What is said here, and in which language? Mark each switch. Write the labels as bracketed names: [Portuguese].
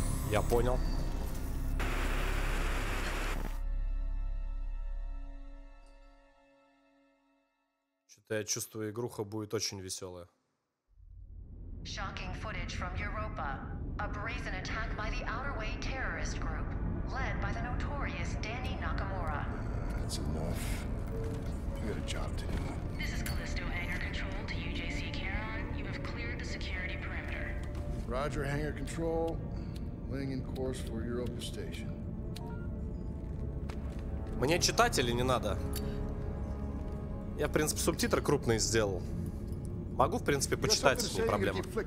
[Russian] Я понял. Я чувствую, игруха будет очень веселая. [English] Shocking footage from Europa. A brazen attack by the Outer Way terrorist group, led by the notorious Danny Nakamura. That's enough. We got a job to do. This is Callisto Hangar Control to UJC Charon. You have cleared the security perimeter. Roger, Hangar Control. Laying in course for Europa Station. [Russian] Мне читать или не надо? Я, в принципе, субтитры крупные сделал. Могу, в принципе, почитать, не проблема.